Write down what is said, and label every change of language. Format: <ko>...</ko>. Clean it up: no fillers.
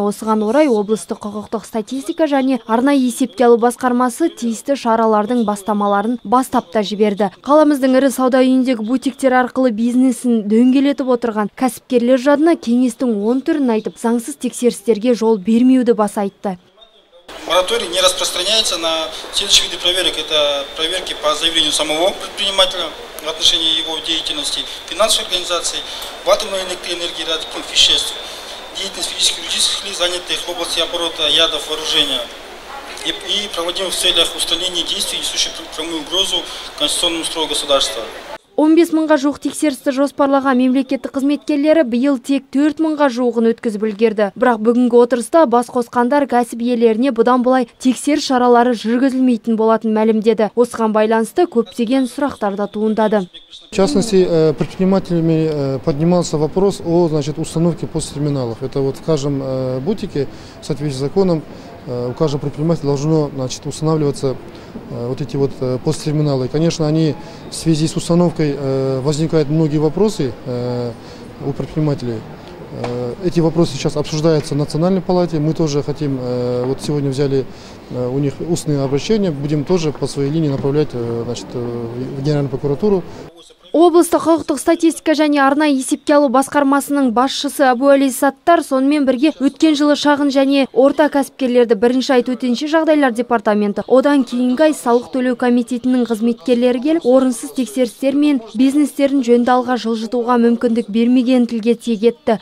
<kk>Осыған орай облыстық құқықтық статистика және арнайы есепке алу басқармасы тиісті шаралардың бастамаларын бастап та жіберді. Қаламыздың ірі сауда үйіндегі бутиктер арқылы бизнесін дөңгелетіп отырған кәсіпкерлер жадына кеңестің 10 түрін айтып, заңсыз тексерістерге жол бермеуді баса айтты.</kk> <ru>Мораторий не распространяется на следующие виды проверок. Это проверки по заявлению самого предпринимателя в отношении его деятельности, финансовой организации, в атомной электроэнергии, радиоактивных веществ, деятельность физических и юридических лиц, занятых в области оборота ядов, вооружения и проводимых в целях устранения действий, несущих прямую угрозу конституционному строю государства.</ru> <kk>15000-ға жуық тексерісті жоспарлаған мемлекеттік қызметкерлері биыл тек 4000-ға жуығын өткізіп үлгерді. Бірақ бүгінгі отырыста бас қосқандар кәсіп иелеріне бұдан былай тексер шаралары жүргізілмейтін болатын мәлімдеді. Осыған байланысты көптеген сұрақтар да туындады.</kk> <ru>В частности, предпринимателями поднимался вопрос о, значит, установке посттерминалов. Это вот в каждом бутике, в соответствии с законом, у каждого предпринимателя должно, значит, устанавливаться вот эти вот посттерминалы. Конечно, они в связи с установкой возникают многие вопросы у предпринимателей. Эти вопросы сейчас обсуждаются в Национальной палате. Мы тоже хотим, вот сегодня взяли у них устные обращения, будем тоже по своей линии направлять, значит, в Генеральную прокуратуру.</ru> <kk>Облыстық құқықтық статистика және арнай есепке алу басқармасының басшысы Абуәли Саттар сонымен бірге өткен жылы шағын және орта кәсіпкерлерді бірінші ай төтенше жағдайлар департаменті, одан кейінгі ай салық төлеу комитетінің қызметкерлері келіп, орынсыз тексерістер мен бизнестерін жөнді алға жылжытуға мүмкіндік бермеген тілге тиек етті.</kk>